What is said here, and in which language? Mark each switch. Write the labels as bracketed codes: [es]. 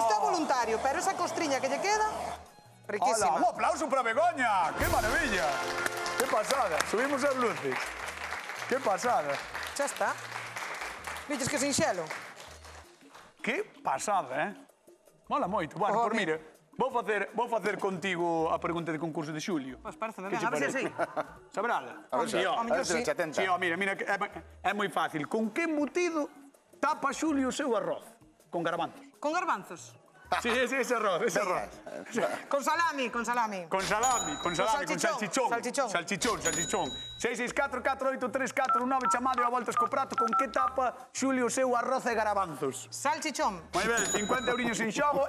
[gl] Este é voluntario, pero esa costriña que lle queda... Riquísima. [es] ¡Hola! ¡Un aplauso para Begoña! ¡Qué maravilla! ¡Qué pasada! Subimos las luces. ¡Qué pasada! Ya está. ¿Viste que sin xelo? ¡Qué pasada, eh! [gl] Mola moito. [es] Bueno, pues mire, voy a hacer contigo la pregunta de concurso de Xulio. Pues parece, ¿qué bien? A ver si así. ¿Sabrá? A ver si. Sí, oh, mira, mira, es muy fácil. ¿Con qué embutido tapa Xulio su arroz? Con garbanzos. ¿Con garbanzos? Sí, ese es arroz, ese arroz. Con salami, con salami. Con salami, con salami, con salchichón. Salchichón. [gl] Salchichón, salchichón. 664-483-419, chamado a voltas co prato. ¿Con qué tapa Xulio seu arroz e garabanzos? Salchichón. Muy bien, 50 euriños en xogo.